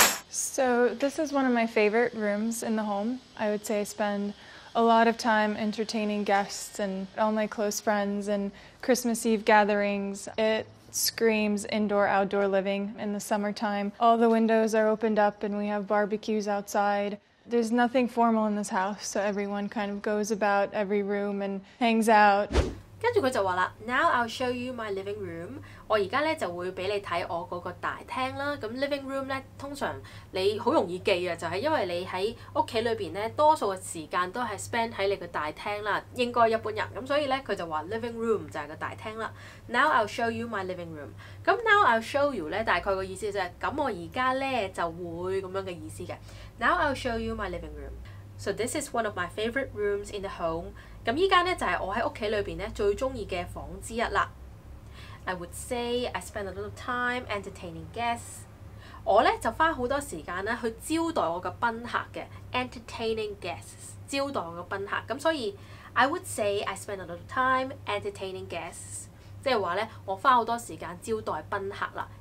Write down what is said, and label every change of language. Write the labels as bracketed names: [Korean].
[English] So this is one of my favorite rooms in the home. I would say I spend a lot of time entertaining guests and all my close friends and Christmas Eve gatherings. It screams indoor-outdoor living in the summertime. All the windows are opened up and we have barbecues outside. There's nothing formal in this house, so everyone kind of goes about every room and hangs out. [Cantonese] 跟住佢就話啦 ， [English] Now I'll show you my living room。 [Cantonese] 我而家咧就會俾你睇我嗰個大廳啦。咁 living room 咧，通常你好容易記啊，就係因為你喺屋企裏邊咧，多數嘅時間都係 spend 喺你個大廳啦。應該一般人咁，所以咧佢就話 living room 就係個大廳啦。 [English] Now I'll show you my living room。 [Cantonese] 咁 [English] now I'll show you [Cantonese] 咧，大概個意思就係咁，我而家咧就會咁樣嘅意思嘅。 [English] Now I'll show you my living room。 So this is one of my favorite rooms in the home。 [Cantonese] 咁依間咧就係我喺屋企裏邊咧最中意嘅房之一啦。 [English] I would say I spend a lot of time entertaining guests。 [Cantonese] 我咧就花好多時間咧去招待我嘅賓客嘅 ， [English] entertaining guests， [Cantonese] 招待我嘅賓客。咁所以 [English] I would say I spend a lot of time entertaining guests， [Cantonese] 即係話咧我花好多時間招待賓客啦。